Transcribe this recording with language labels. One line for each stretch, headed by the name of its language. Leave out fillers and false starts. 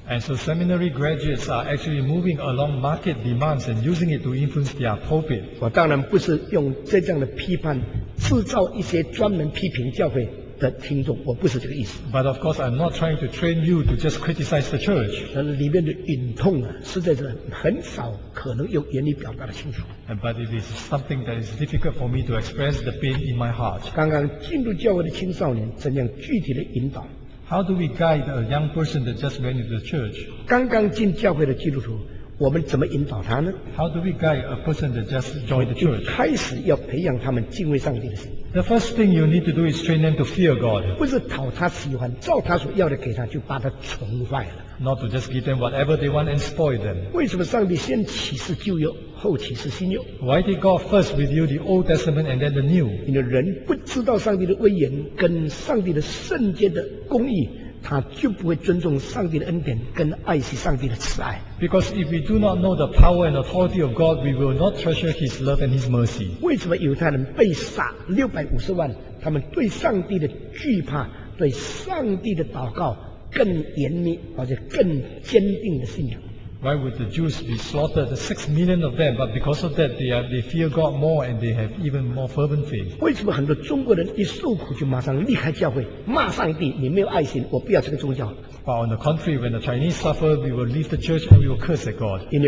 English: And so seminary graduates are actually moving along market demands and using it to influence their pulpit.
Chinese: 我当然不是用这样的批判制造一些专门批评教会的听众，我不是这个意思。
English: But of course, I'm not trying to train you to just criticize the church.
Chinese: 但是里面的隐痛啊，实在是很少可能用言语表达的清楚。
English: But it is something that is difficult for me to express the pain in my heart.
Chinese: 刚刚进入教会的青少年怎样具体的引导？
English: How do we guide a young person that just went into the church?
Chinese: 刚刚进教会的基督徒，我们怎么引导他呢？
English: How do we guide a person that just joined the church?
Chinese: 开始要培养他们敬畏上帝的心。
English: The first thing you need to do is train them to fear God.
Chinese: 不是讨他喜欢，照他所要的给他，就把他宠坏了。
English: not to just give them whatever they want and spoil them.
Chinese: 为什么上帝先启示旧约，后启示新约？
English: Why did God first reveal the Old Testament and then the New?
Chinese: 因为人不知道上帝的威严跟上帝的圣洁的公义， 他就不会尊重上帝的恩典跟爱惜上帝的慈爱。
English: Because if we do not know the power and authority of God, we will not treasure His love and His mercy.
Chinese: 为什么犹太人被杀650万， 他们对上帝的惧怕，对上帝的祷告更严密，而且更坚定的信仰。
English: Why would the Jews be slaughtered, the 6 million of them, but because of that they fear God more and they have even more fervent faith?
Chinese: 为什么很多中国人一受苦就马上离开教会，骂上帝，你没有爱心，我不要这个宗教。
English: But on the contrary, when the Chinese suffer, we will leave the church and we will curse at God.